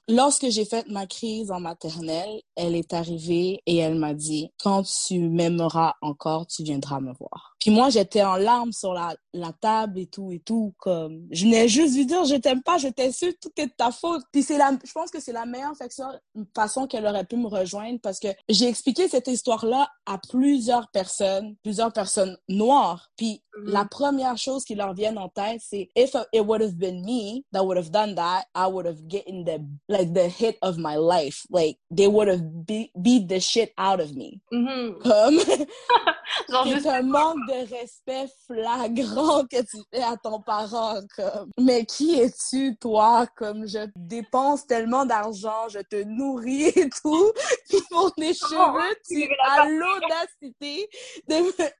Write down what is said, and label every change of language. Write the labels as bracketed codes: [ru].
[fr] Lorsque j'ai fait ma crise en maternelle, elle est arrivée et elle m'a dit « Quand tu m'aimeras encore, tu viendras me voir. » Puis moi, j'étais en larmes sur la table et tout, comme... Je venais juste lui dire « Je t'aime pas, je t'insulte, tout est de ta faute. » Puis je pense que c'est la meilleure façon qu'elle aurait pu me rejoindre parce que j'ai expliqué cette histoire-là à plusieurs personnes noires. Puis la première chose qui leur vient en tête, c'est [en] « If it would have been me that would have done that, I would have gotten the hit of my life. Like, they would have beat the shit out of me. Mm-hmm. » [fr] Comme... c'est un manque de respect flagrant que tu fais à ton parent, comme. Mais qui es-tu, toi? Comme, je dépense tellement d'argent, je te nourris et tout. Puis pour tes cheveux, tu as l'audacité de me...